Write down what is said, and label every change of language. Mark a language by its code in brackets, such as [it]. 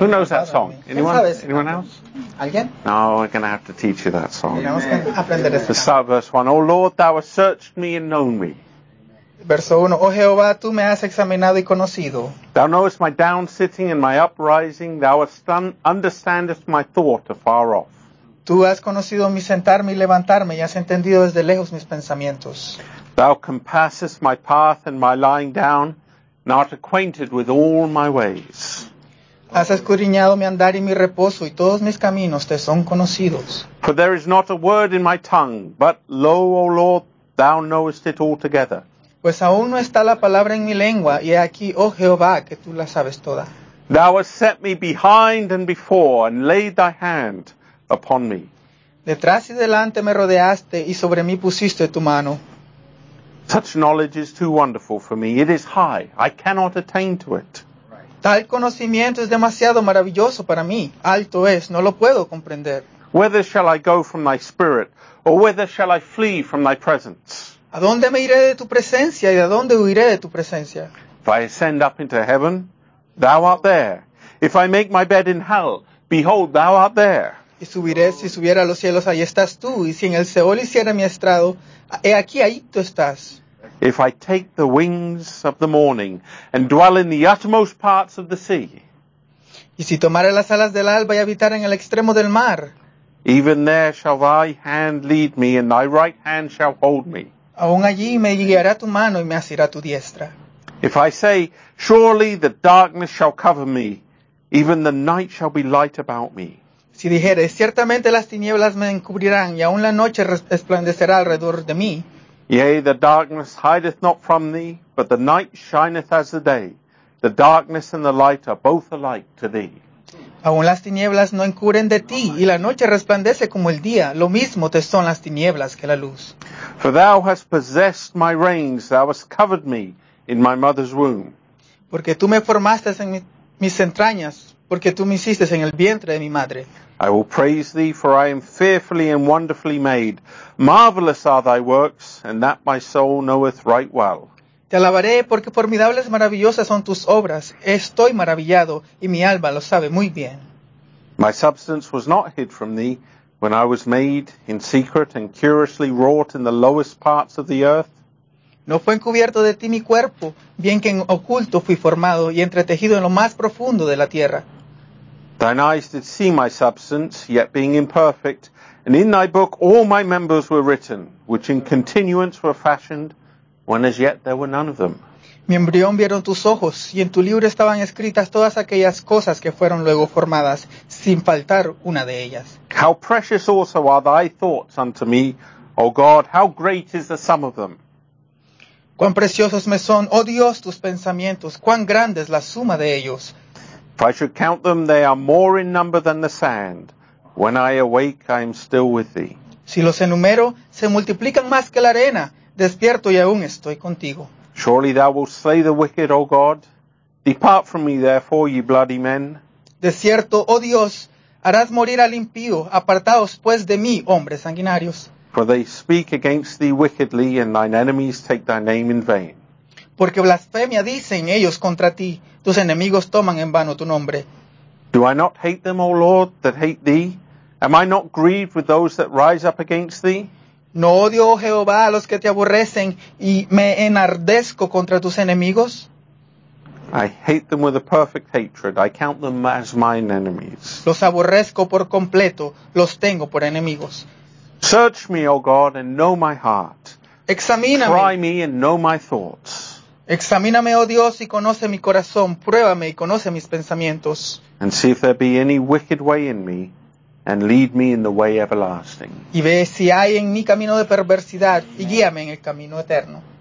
[en] Who knows that song? Anyone else? Again? No, we're going to have to teach you that song. Amen. The start of verse 1. Oh Lord, thou hast searched me and known me. [es] Verso 1. Oh Jehová, tú me has examinado y conocido. [en] Thou knowest my down sitting and my uprising. Thou understandest my thought afar off. [es] Tú has conocido mi sentarme y levantarme y has entendido desde lejos mis pensamientos. [en] Thou compassest my path and my lying down and art acquainted with all my ways. [es] Has escudriñado mi andar y mi reposo, y todos mis caminos te son conocidos. [en] For there is not a word in my tongue, but lo, O Lord, thou knowest it altogether. [es] Pues aún no está la palabra en mi lengua, y he aquí, oh Jehová, que tú la sabes toda. [en] Thou hast set me behind and before, and laid thy hand upon me. [es] Detrás y delante me rodeaste, y sobre mí pusiste tu mano. [en] Such knowledge is too wonderful for me. It is high. I cannot attain to it. [es] Tal conocimiento es demasiado maravilloso para mí. Alto es, no lo puedo comprender. [en] Whither shall I go from thy spirit, or whither shall I flee from thy presence? [es] ¿A dónde me iré de tu presencia, y a dónde huiré de tu presencia? [en] If I ascend up into heaven, thou art there. If I make my bed in hell, behold, thou art there. [es] Y subiré, si subiera a los cielos, ahí estás tú. Y si en el Seol hiciera mi estrado, he aquí, ahí tú estás. [en] If I take the wings of the morning and dwell in the uttermost parts of the sea, [es] y si tomare las alas del alba y habitar en el extremo del mar, [en] even there shall thy hand lead me and thy right hand shall hold me. [es] Aún allí me guiará tu mano y me asirá tu diestra. [en] If I say, surely the darkness shall cover me, even the night shall be light about me. [es] Si dijere, ciertamente las tinieblas me encubrirán y aún la noche resplandecerá alrededor de mí. [en] Yea, the darkness hideth not from thee, but the night shineth as the day. The darkness and the light are both alike to thee. [es] Aun las tinieblas no encubren de ti, y la noche resplandece como el día. Lo mismo te son las tinieblas que la luz. [en] For thou hast possessed my reins, thou hast covered me in my mother's womb. [es] Porque tú me formaste en mis entrañas, porque tú me hiciste en el vientre de mi madre. [en] I will praise thee, for I am fearfully and wonderfully made. Marvelous are thy works, and that my soul knoweth right well. [es] Te alabaré, porque formidables maravillosas son tus obras. Estoy maravillado, y mi alma lo sabe muy bien. [en] My substance was not hid from thee, when I was made in secret and curiously wrought in the lowest parts of the earth. [es] No fue encubierto de ti mi cuerpo, bien que en oculto fui formado y entretejido en lo más profundo de la tierra. [en] Thine eyes did see my substance, yet being imperfect, and in thy book all my members were written, which in continuance were fashioned, when as yet there were none of them. [es] Mi embrión vieron tus ojos, y en tu libro estaban escritas todas aquellas cosas que fueron luego formadas, sin faltar una de ellas. [en] How precious also are thy thoughts unto me, O God, how great is the sum of them. [es] Cuán preciosos me son, oh Dios, tus pensamientos, cuán grande es la suma de ellos. [en] If I should count them, they are more in number than the sand. When I awake, I am still with thee. [es] Si los enumero, se multiplican más que la arena. Despierto y aún estoy contigo. [en] Surely thou wilt slay the wicked, O God. Depart from me, therefore, ye bloody men. [es] De cierto, oh Dios, harás morir al impío. Apartaos, pues, de mí, hombres sanguinarios. [en] For they speak against thee wickedly, and thine enemies take thy name in vain. [es] Porque blasfemia dicen ellos contra ti. Tus enemigos toman en vano tu nombre. [en] Do I not hate them, O Lord, that hate thee? Am I not grieved with those that rise up against thee? [es] ¿No odio, oh Jehová, a los que te aborrecen y me enardezco contra tus enemigos? [en] I hate them with a perfect hatred. I count them as mine enemies. [es] Los aborrezco por completo. Los tengo por enemigos. [en] Search me, oh God, and know my heart. [es] Examíname. [en] Try me and know my thoughts. [es] Examíname, oh Dios, y conoce mi corazón. Pruébame y conoce mis pensamientos. [en] And see if there be any wicked way in me, and lead me in the way everlasting. [es] Y ve si hay en mi camino de perversidad, y guíame en el camino eterno.